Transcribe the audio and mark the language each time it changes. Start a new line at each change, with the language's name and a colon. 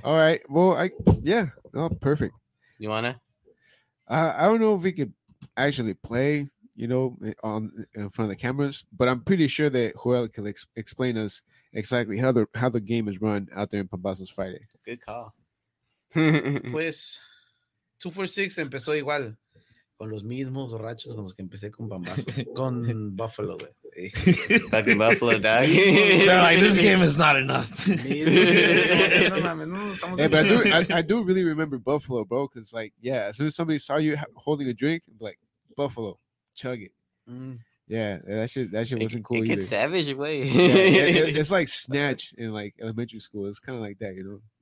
English: All right. Well, oh, perfect. You wanna? I don't know if we could actually play, you know, on in front of the cameras, but I'm pretty sure that Joel can explain us exactly how the game is run out there in Pambazos Friday. Good call.
Spanish: Pues 246 empezó igual con los mismos borrachos con los que empecé con Pambazos con Buffalo.
English: Fucking Buffalo, dog. They're like, this game is not enough. Hey, but I do really remember Buffalo, bro. Cause like, yeah, as soon as somebody saw you holding a drink, like Buffalo, chug it. Yeah, that shit wasn't cool. It gets savage, boy. It's like Snatch in like elementary school. It's kind of like that, you know.